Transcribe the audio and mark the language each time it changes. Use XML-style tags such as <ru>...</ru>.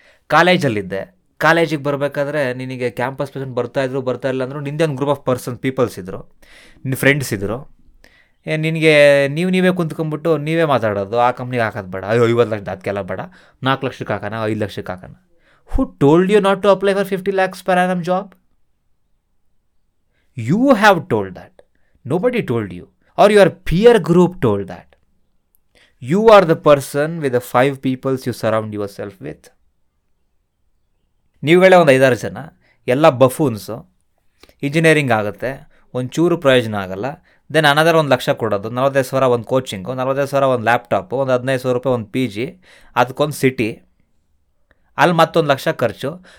<kn>ಕಾಲೇಜಲ್ಲಿದ್ದೆ, ಕಾಲೇಜಿಗೆ ಬರಬೇಕಾದ್ರೆ ನಿನಗೆ ಕ್ಯಾಂಪಸ್ ಪರ್ಸನ್ ಬರ್ತಾಯಿದ್ರು ಬರ್ತಾ ಇಲ್ಲ ಅಂದರೂ ನಿಂದೇ ಒಂದು ಗ್ರೂಪ್ ಆಫ್ ಪರ್ಸನ್ ಪೀಪಲ್ಸ್ ಇದ್ದರು, ನಿನ್ನ ಫ್ರೆಂಡ್ಸ್ ಇದ್ದರು. ನಿನಗೆ ನೀವೇ ಕುಂತ್ಕೊಂಡ್ಬಿಟ್ಟು ನೀವೇ ಮಾತಾಡೋದು, ಆ ಕಂಪ್ನಿಗೆ ಹಾಕೋದು ಬೇಡ, ಅಯ್ಯೋ 50 lakh ಅದಕ್ಕೆಲ್ಲ ಬೇಡ, 4 lakh ಹಾಕೋಣ, 5 lakh ಹಾಕೋಣ.</kn> <en>Who told you not to apply for 50 lakhs per annum job? You have told that. Nobody told you. Or your peer group told that. You are the person with the 5 peoples you surround yourself with.</en> <kn>ನೀವುಗಳೇ ಒಂದು 5-6 ಜನ, ಎಲ್ಲ ಬಫೂನ್ಸು, engineering ಆಗುತ್ತೆ, ಒಂಚೂರು ಪ್ರಯೋಜನ ಆಗಲ್ಲ,</kn> <en>then another</en> <kn>1 lakh ಕೊಡೋದು, 40,000 ಒಂದು coaching, 40,000 ಒಂದು ಲ್ಯಾಪ್ಟಾಪ್, ಒಂದು 15,000 ರೂಪಾಯಿ ಒಂದು ಪಿ ಜಿ, ಅದಕ್ಕೊಂದು ಸಿಟಿ, ಅಲ್ಲಿ ಮತ್ತೊಂದು 1 ಲಕ್ಷ ಖರ್ಚು.</kn>